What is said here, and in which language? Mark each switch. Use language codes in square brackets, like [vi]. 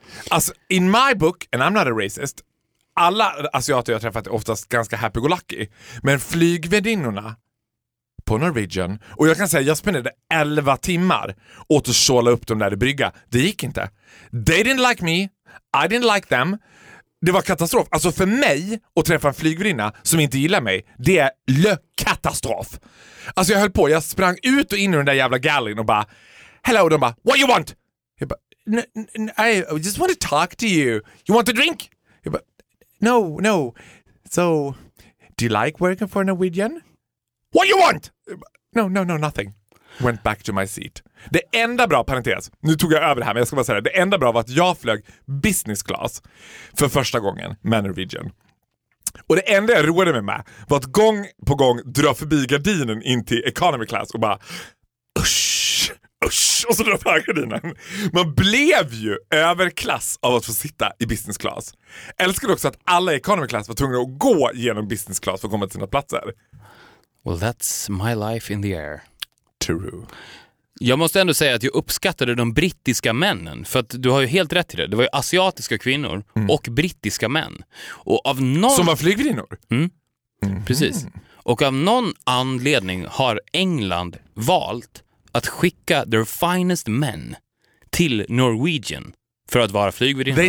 [sv] Alltså, [en] in my book, and I'm not a racist, [sv] alla asiater jag träffat är oftast ganska [en] happy-go-lucky, [sv] men flygvärdinnorna på Norwegian, och jag kan säga, jag spenderade 11 timmar åt att såla upp dem där i brygga. Det gick inte. [en] They didn't like me. I didn't like them. [sv] Det var katastrof. Alltså för mig att träffa en flygvärdinna som inte gillar mig, det är katastrof. Alltså jag höll på, jag sprang ut och in i den där jävla galleryn och bara, hello, och de bara, [en] what you want? [sv] Jag bara, [en] I just want to talk to you. You want a drink? [sv] Jag bara, [en] no, no. So, do you like working for Norwegian? What you want? No, no, no, nothing. Went back to my seat. [sv] Det enda bra, parentes, nu tog jag över det här, men jag ska bara säga det. Det enda bra var att jag flög business class för första gången med Norwegian. Och det enda jag roade mig med var att gång på gång dra förbi gardinen in till economy class och bara, usch, usch, och så drar på gardinen. Man blev ju överklass av att få sitta i business class. Älskade också att alla i economy class var tvungna att gå genom business class för att komma till sina platser. [en] Well, that's my life in the air. True. [sv] Jag måste ändå säga att jag uppskattade de brittiska männen, för att du har ju helt rätt i det. Det var ju asiatiska kvinnor och brittiska män. Och av någon... Som var flygvinnor? Precis. Och av någon anledning har England valt att skicka [en] their finest men [sv] till Norwegian för att vara flygvärdinnor.